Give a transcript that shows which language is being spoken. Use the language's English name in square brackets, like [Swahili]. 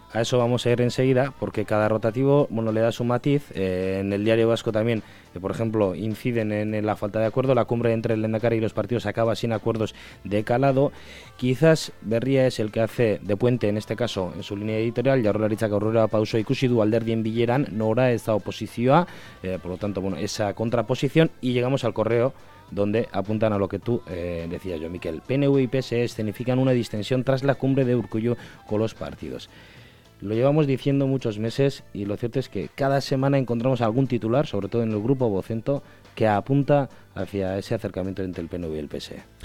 [Spanish] A eso vamos a ir enseguida, porque cada rotativo, bueno, le da su matiz. En el diario Vasco también, por ejemplo, inciden en la falta de acuerdo. La cumbre entre el Lehendakari y los partidos acaba sin acuerdos de calado. Quizás Berria es el que hace de puente, en este caso, en su línea editorial. [Basque] Jaurlaritzak aurrera pauso ikusi du alderdien bileran, nora ez da oposizioa. [Spanish] Por lo tanto, bueno, esa contraposición. Y llegamos al correo, donde apuntan a lo que tú decías, yo, Miquel. PNV y PSE escenifican una distensión tras la cumbre de Urkullu con los partidos. Lo llevamos diciendo muchos meses y lo cierto es que cada semana encontramos algún titular, sobre todo en el grupo Vocento, que apunta hacia ese acercamiento entre el PNV y el PSE.